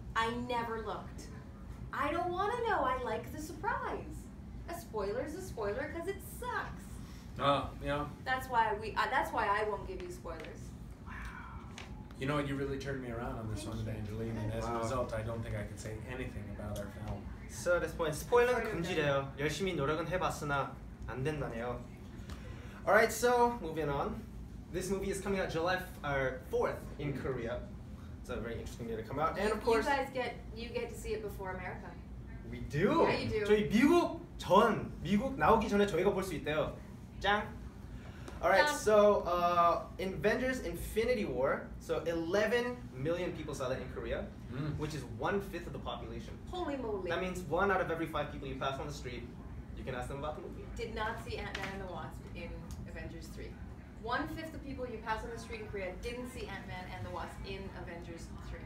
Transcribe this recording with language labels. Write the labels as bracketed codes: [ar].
[en] I never looked. I don't want to know. I like the surprise. A spoiler is a spoiler because it sucks. Oh, yeah. That's why that's why I won't give you spoilers. You know what, you really turned me around on this Thank one with Angelina, you. And as wow. a result, I don't think I can say anything about our film. So at this point, spoiler [ko] 금지래요. 열심히 노력은 해봤으나 안 된다네요. [en] Alright, so moving on. This movie is coming out July 4th in Korea. It's a very interesting day to come out. And of course, you guys get to see it before America. We do! Yeah, you do. [ko] 저희 미국 전, 미국 나오기 전에 저희가 볼 수 있대요. 짱! [en] Alright, so Avengers Infinity War, so 11 million people saw that in Korea, which is one-fifth of the population. Holy moly. That means one out of every five people you pass on the street, you can ask them about the movie. Did not see Ant-Man and the Wasp in Avengers 3. One-fifth of people you pass on the street in Korea didn't see Ant-Man and the Wasp in Avengers 3.